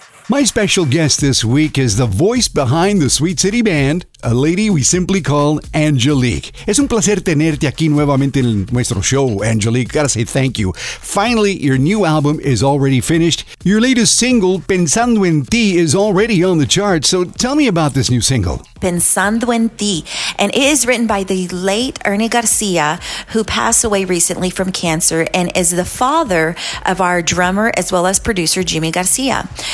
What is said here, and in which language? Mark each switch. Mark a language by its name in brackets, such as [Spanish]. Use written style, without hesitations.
[English] My special guest this week is the voice behind the Sweet City Band, a lady we simply call Angelique. [Spanish] Es un placer tenerte aquí nuevamente en nuestro show, Angelique. [English] Gotta say thank you. Finally, your new album is already finished. Your latest single, Pensando en Ti, is already on the charts. So tell me about this new single. Pensando en Ti. And it is written by the late Ernie Garcia, who passed away recently from cancer and is the father of our drummer as well as producer, Jimmy Garcia.